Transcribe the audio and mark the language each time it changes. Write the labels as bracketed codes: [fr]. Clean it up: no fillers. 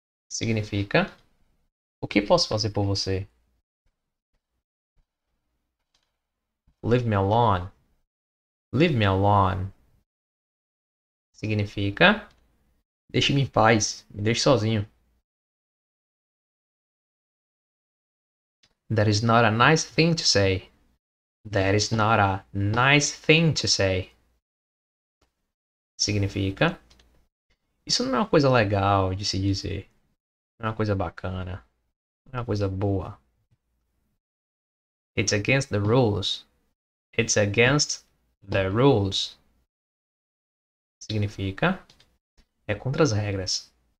[pt] Significa, o que posso fazer por você? [en] Leave me alone. Leave me alone. [pt] Significa, deixe-me em paz, me deixe sozinho. [en] That is not a nice thing to say. That is not a nice thing to say. [pt] Significa, isso não é uma coisa legal de se dizer. Não é uma coisa bacana. Não é uma coisa boa. [en] It's against the rules. It's against the rules. [pt] Significa, é contra as regras.